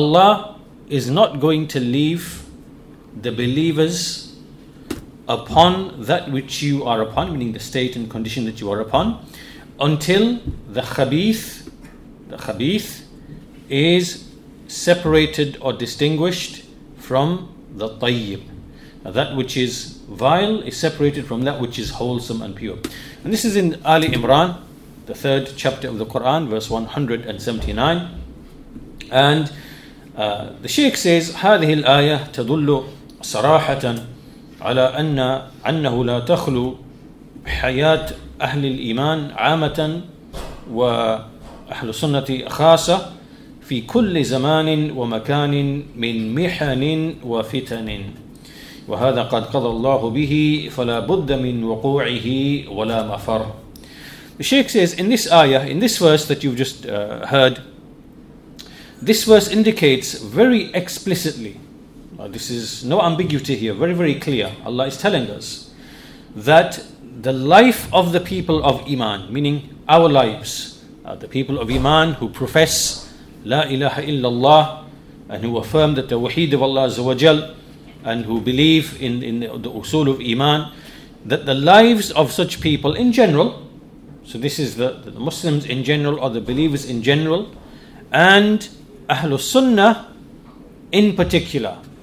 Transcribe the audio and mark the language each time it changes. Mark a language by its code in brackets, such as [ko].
[en] Allah is not going to leave the believers upon that which you are upon, meaning the state and condition that you are upon, until the khabith is separated or distinguished from the tayyib. Now, that which is vile is separated from that which is wholesome and pure. And this is in Ali Imran, the third chapter of the Quran, verse 179. And the Shaykh says, [ar] هذه الآية تدل صراحة على أنه لا تخلو حياة أهل الإيمان عامة وأهل السنة خاصة في كل زمان ومكان من محن وفتن. وهذا قد قضى الله به فلا بد من وقوعه ولا مفر. [en] The Shaykh says, in this ayah, in this verse that you've just heard, this verse indicates very explicitly, this is no ambiguity here, very, very clear, Allah is telling us that the life of the people of Iman, meaning our lives, the people of Iman who profess La ilaha illallah and who affirm that the Wahid of Allah Azza wa Jal, and who believe in the usul of Iman, that the lives of such people in general, so this is the Muslims in general, or the believers in general, and Ahlus Sunnah in particular,